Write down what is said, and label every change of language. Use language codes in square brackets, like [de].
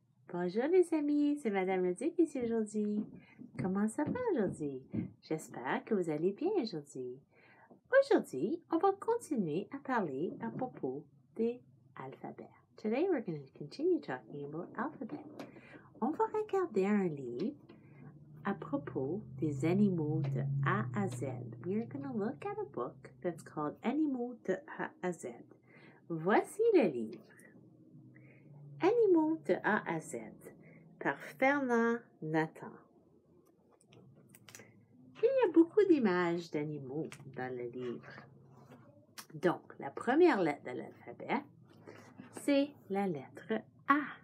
[fr] Bonjour les amis, c'est Madame Le Duc ici aujourd'hui. Comment ça va aujourd'hui? J'espère que vous allez bien aujourd'hui. Aujourd'hui, on va continuer à parler à propos des alphabets. [en] Today we're going to continue talking about alphabets. [fr] On va regarder un livre à propos des animaux de A à Z. [en] We're going to look at a book that's called Animaux de A à Z. [fr] Voici le livre. Animaux de A à Z, par Fernand Nathan. Il y a beaucoup d'images d'animaux dans le livre. Donc, la première lettre de l'alphabet, c'est la lettre A.